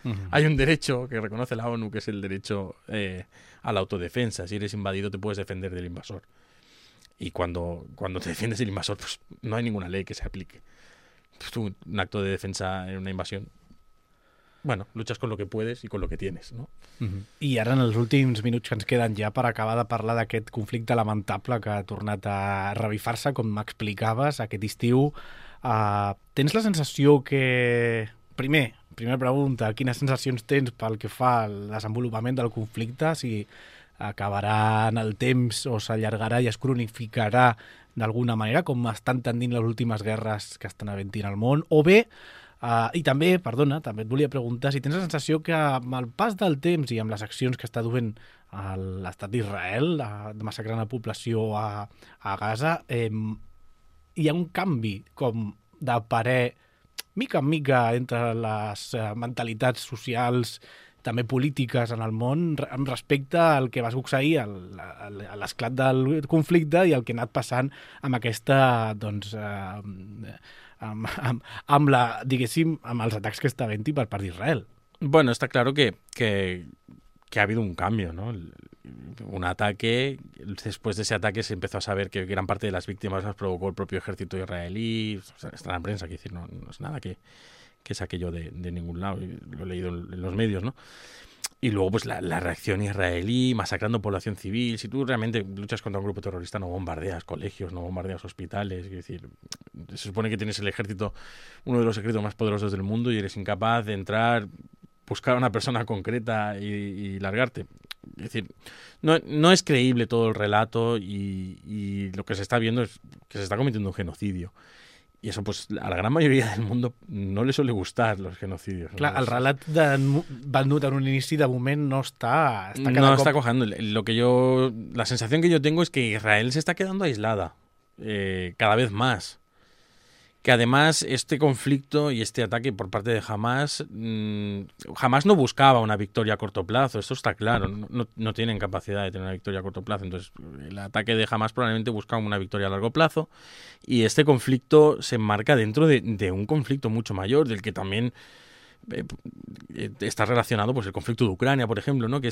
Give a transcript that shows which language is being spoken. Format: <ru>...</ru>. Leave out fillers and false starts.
<es>Hay un derecho que reconoce la ONU, que es el derecho a la autodefensa. Si eres invadido, te puedes defender del invasor. Y cuando te defiendes del invasor, pues no hay ninguna ley que se aplique. Pues tú, un acto de defensa en una invasión, bueno, luchas con lo que puedes y con lo que tienes, ¿no?</es> <ca>I ara, en els últims minuts que ens queden ja per acabar de parlar d'aquest conflicte lamentable que ha tornat a revifar-se, com m'explicaves, aquest estiu, tens la sensació que... Primera pregunta, quines sensacions tens pel que fa al desenvolupament del conflicte, si acabarà en el temps o s'allargarà i es cronificarà d'alguna manera, com estan tendint les últimes guerres que estan havent-hi en el món, o bé, i també, perdona, també et volia preguntar si tens la sensació que amb el pas del temps i amb les accions que està duent l'estat d'Israel, massacrant la població a Gaza, hi ha un canvi com de parer mica en mica entre les mentalitats socials, també polítiques en el món, amb respecte al que va succeir a l'esclat del conflicte i el que ha anat passant amb aquesta, doncs, amb la, diguéssim, amb els atacs que està havent-hi per part d'Israel.</ca> <es>Bueno, está claro que ha habido un cambio, ¿no? Un ataque, después de ese ataque se empezó a saber que gran parte de las víctimas las provocó el propio ejército israelí, está en la prensa, quiero decir, no es nada que saqué yo de ningún lado, lo he leído en los medios, ¿no? Y luego, pues, la reacción israelí, masacrando población civil. Si tú realmente luchas contra un grupo terrorista, no bombardeas colegios, no bombardeas hospitales. Es decir, se supone que tienes el ejército, uno de los ejércitos más poderosos del mundo, y eres incapaz de entrar, buscar a una persona concreta y largarte. Es decir, no es creíble todo el relato, y lo que se está viendo es que se está cometiendo un genocidio. Y eso, pues, a la gran mayoría del mundo no le suele gustar los genocidios.</es> <ca>Claro, el relat de Bandut en un inici de moment no està... No està cojando.</ca> <es>La sensación que yo tengo es que Israel se está quedando aislada cada vez más. Que además este conflicto y este ataque por parte de Hamas, Hamas no buscaba una victoria a corto plazo, eso está claro, no tienen capacidad de tener una victoria a corto plazo, entonces el ataque de Hamas probablemente buscaba una victoria a largo plazo, y este conflicto se enmarca dentro de un conflicto mucho mayor, del que también está relacionado, pues, el conflicto de Ucrania, por ejemplo, ¿no?</es>